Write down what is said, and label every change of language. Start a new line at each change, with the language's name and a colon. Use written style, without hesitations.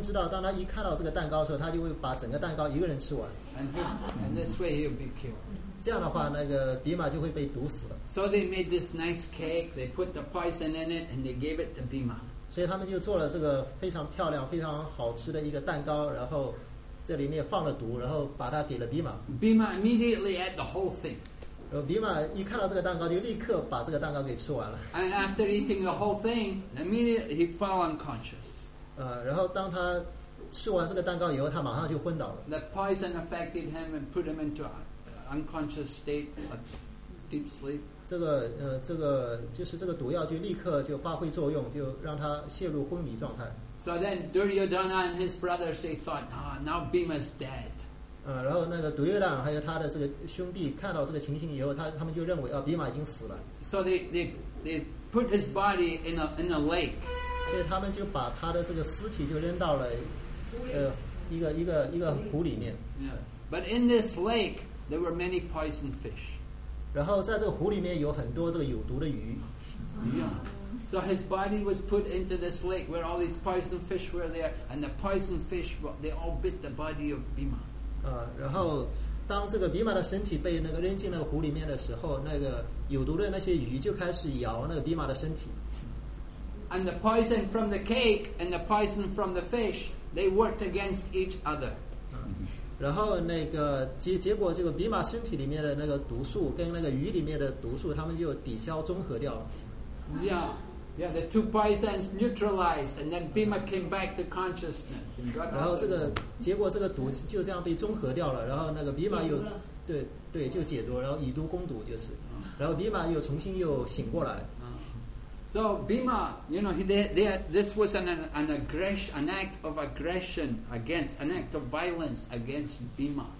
Chinese: 当他一看到这个蛋糕的时候，他就会把整个蛋糕一个人吃完。
English: And this way he'll be killed.
Chinese: 这样的话，那个比马就会被毒死了。
English: So they made this nice cake. They put the poison in it, and they gave it to Bhima.
Chinese: 所以他们就做了这个非常漂亮、非常好吃的一个蛋糕，然后这里面放了毒，然后把它给了比马。
English: Bhima immediately ate the whole thing.
Chinese: 然后比马一看到这个蛋糕，就立刻把这个蛋糕给吃完了。
English: And after eating the whole thing, immediately he fell unconscious.
Chinese: 然后当他吃完这个蛋糕以后，他马上就昏倒了。
English: The poison affected him and put him into an unconscious state, a deep sleep.
Chinese: 这个就是这个毒药就立刻就发挥作用，就让他陷入昏迷状态。
English: So then Duryodhana and his brothers, they thought, now Bhima's dead.
Chinese: 然后那个 Duryodhana 还有他的这个兄弟看到这个情形以后，他们就认为Bhima已经死了。
English: So they put his body in a lake.
Chinese: 所以他们就把他的这个尸体就扔到了一个湖里面。
English: Yeah. But in this lake there were many poison fish.
Chinese: 然后在这个湖里面有很多这个有毒的鱼。
English: Yeah. So his body was put into this lake where all these poison fish were there, and the poison fish, they all bit the body of Bhima.
Chinese: 然后当这个 Bhima 的身体被那个扔进那个湖里面的时候，那个有毒的那些鱼就开始咬那个 Bhima 的身体。
English: And the poison from the cake and the poison from the fish, they worked against each other.
Chinese: 然后那个结果，这个比马身体里面的那个毒素跟那个鱼里面的毒素，他们就抵消中和掉了。
English: Yeah, the two poisons neutralized, and then Bhima came back to consciousness.
Chinese: 然后这个结果，这个毒就这样被中和掉了。然后那个比马又对就解毒，然后以毒攻毒就是，然后比马又重新又醒过来。
English: So Bhima, you know, this was an aggression, an act of aggression against, an act of violence against Bhima.